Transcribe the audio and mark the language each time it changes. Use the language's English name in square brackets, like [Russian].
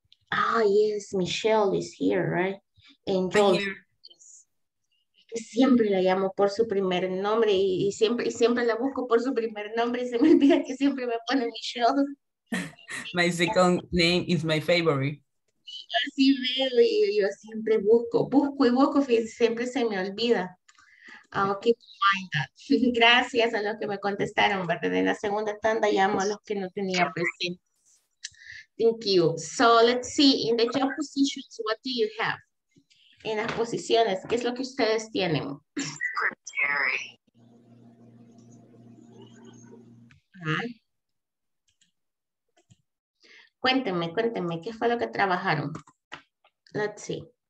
[English] Ah, yes, Michelle is here, right? And Joel. [Spanish] siempre la llamo por su primer nombre y siempre la busco por su primer nombre y se me olvida que siempre me pone mi show. [English] My second name is my favorite. [Spanish] Yo así veo y yo siempre busco y siempre se me olvida. Gracias a los que me contestaron, ¿verdad? En la segunda tanda llamo a los que no tenía presente. [English] Thank you. So let's see, in the job positions, what do you have? [Spanish] En las posiciones, ¿qué es lo que ustedes tienen? [English] Secretary. [Spanish] Cuénteme, ¿qué fue lo que trabajaron? [English] Let's see.